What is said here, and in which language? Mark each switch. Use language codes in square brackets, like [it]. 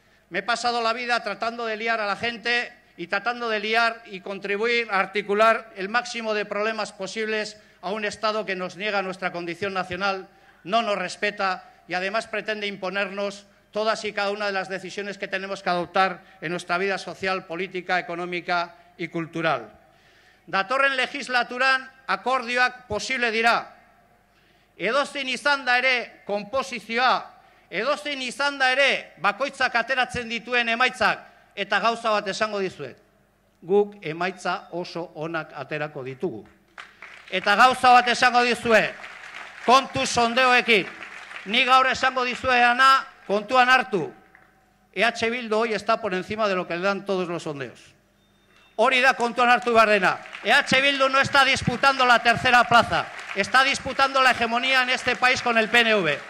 [es] Me he pasado la vida tratando de liar a la gente y tratando de liar y contribuir a articular el máximo de problemas posibles a un Estado que nos niega nuestra condición nacional, no nos respeta y además pretende imponernos todas y cada una de las decisiones que tenemos que adoptar en nuestra vida social, política, económica y cultural. [eu] Datorren legislaturan akordioak posible dira. Edozein izan da ere konposizioa, edozein izan da ere bakoitzak ateratzen dituen emaitzak, eta gauza bat esango dizuet, guk emaitza oso onak aterako ditugu. Eta gauza bat esango dizuet, kontu sondeoekin, ni gaur esango dizueana kontuan hartu, [es] EH Bildu hoy está por encima de lo que le dan todos los sondeos. [eu] Hori da kontuan hartu behar dena. [es] EH Bildu no está disputando la tercera plaza, está disputando la hegemonía en este país con el PNV.